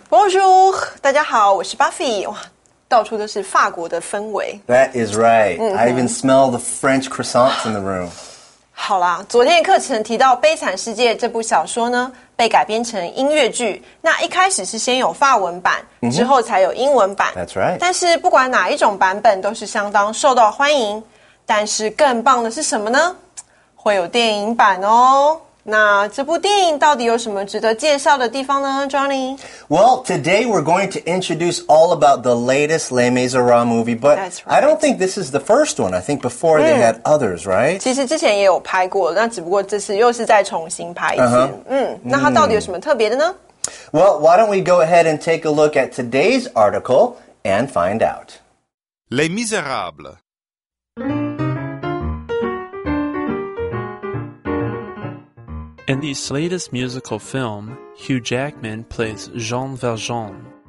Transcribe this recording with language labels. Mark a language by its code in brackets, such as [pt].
[zh] Bonjour, 大家好，我是 Buffy. 哇，到处都是法国的氛围。 [en] That is right.、Mm-hmm. I even smell the French croissants in the room. [zh] 好啦，昨天课程提到《悲惨世界》这部小说呢，被改编成音乐剧。那一开始是先有法文版、mm-hmm. 之后才有英文版。 [en] That's right. [zh] 但是不管哪一种版本都是相当受到欢迎。但是更棒的是什么呢？会有电影版哦。那这部电影到底有什么值得介绍的地方呢 ，Johnny? [en] Well, today we're going to introduce all about the latest Les Miserables movie, but、 right. I don't think this is the first one. I think before、they had others, right? [zh] 其实之前也有拍过，那只不过这次又是再重新拍一次。 Uh-huh. 那它到底有什么特别的呢 [en] ？Well, why don't we go ahead and take a look at today's article and find out? Les Miserables. In the latest musical film, Hugh Jackman plays Jean Valjean.